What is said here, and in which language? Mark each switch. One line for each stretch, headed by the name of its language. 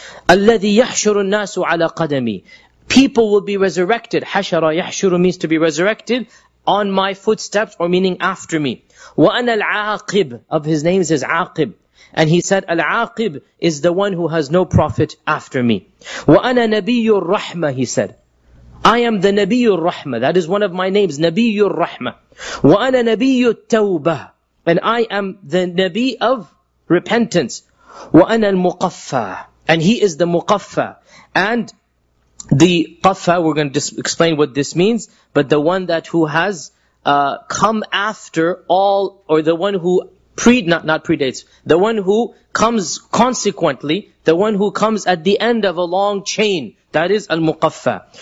Arabic: Alladhi yahshuru an-nasu ala qadami.
English: People will be resurrected. Hashara yahshuru means to be resurrected. On my footsteps, or meaning after me.
Arabic: وَأَنَا الْعَاقِبِ,
English: of his names is عَاقِب. And he said, العاقب is the one who has no prophet after me.
Arabic: وَأَنَا نَبِيُّ الرَّحْمَ,
English: he said. I am the نَبِيُّ الرَّحْمَ. That is one of my names, نَبِيُّ الرَّحْمَ.
Arabic: وَأَنَا نَبِيُّ التَّوْبَةِ,
English: and I am the Nabi of repentance.
Arabic: وَأَنَا الْمُقَفَّى,
English: and he is the مُقَفَّى. And the qaffa, we're going to explain what this means, but the one that who has come after all, or the one who predates, the one who comes consequently, the one who comes at the end of a long chain, that is al-muqaffa.